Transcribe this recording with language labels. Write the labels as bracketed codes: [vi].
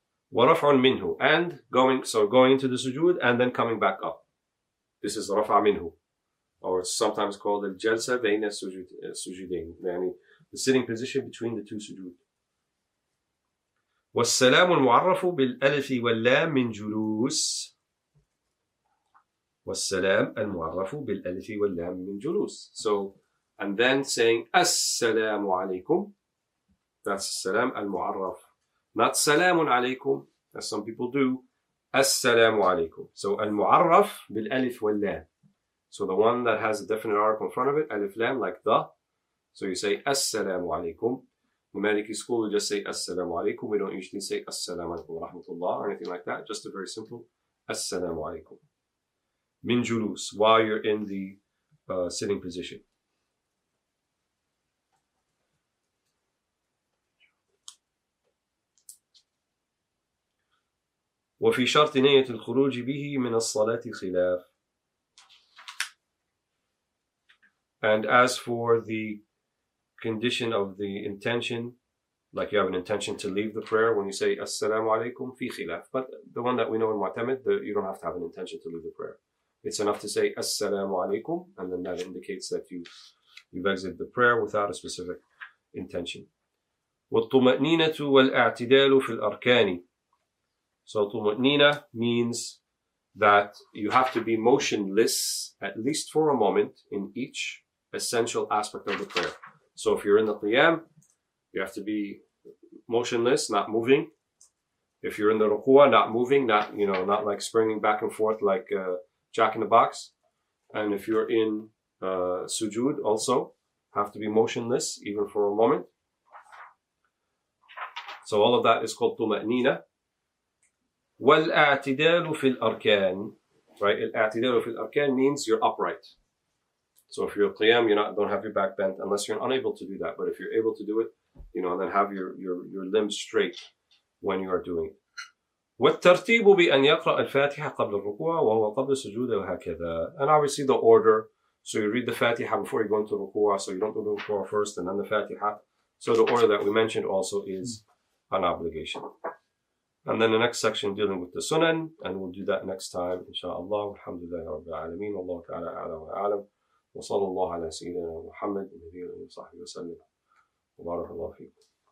[ar] ورفعٌ منه, [en] and going into the sujood and then coming back up. This is [ar] رفع منه, [en] or it's sometimes called [ar] الجلسة بين السجودين, يعني [en] the sitting position between the two sujood. [ar] والسلام المعرف بالألف واللام من جلوس. والسلام المعرف بالألف واللام من جلوس. [en] So and then saying [ar] السلام عليكم. [en] That's [ar] السلام المعرف. [en] Not [ar] سلام عليكم, [en] as some people do. [ar] السلام عليكم. [en] So [ar] المعرف بالألف واللام. [en] So the one that has a definite article in front of it, [ar] ألف لام, [en] like the. So you say [ar] السلام عليكم. [en] The Maliki school will just say [ar] assalamu alaikum. [en] We don't usually say [ar] assalamu alaikum wa rahmatullah [en] or anything like that. Just a very simple [ar] assalamu alaikum. Min julus, [en] while you're in the sitting position. [ar] وفي شرط نية الخروج به من الصلاة خلاف. [en] And as for the condition of the intention, like you have an intention to leave the prayer when you say [ar] assalamu alaikum, fi khilaf. [en] But the one that we know in Mu'tamid, you don't have to have an intention to leave the prayer. It's enough to say [ar] assalamu alaikum, [en] and then that indicates that you've exited the prayer without a specific intention. [ar] والطمأنينة والاعتدال في الأركان. [en] So طمأنينة means that you have to be motionless at least for a moment in each essential aspect of the prayer. So if you're in the qiyam, you have to be motionless, not moving. If you're in the ruku'ah, not moving, not like springing back and forth like a jack in the box. And if you're in sujood also, have to be motionless even for a moment. So all of that is called tuma'nina. [ar] وَالْاَعْتِدَالُ فِي الْأَرْكَانِ. [en] Right, [ar] الْاَعْتِدَالُ فِي الْأَرْكَانِ [en] means you're upright. So if you're qiyam, don't have your back bent unless you're unable to do that. But if you're able to do it, and then have your limbs straight when you are doing it. [ar] والترتيب بأن يقرأ الفاتحة قبل الركوع وهو قبل السجود وهكذا. [en] And obviously the order. So you read the Fatiha before you go into ركوع. So you don't do the ركوع first and then the Fatiha. So the order that we mentioned also is an obligation. And then the next section dealing with the sunan. And we'll do that next time, inshallah. [ar] Alhamdulillah, Rabbil Alameen. Allah Ta'ala A'la wa A'lam. وصلى الله على سيدنا محمد النبي صلى الله عليه وسلم وبارك الله فيكم.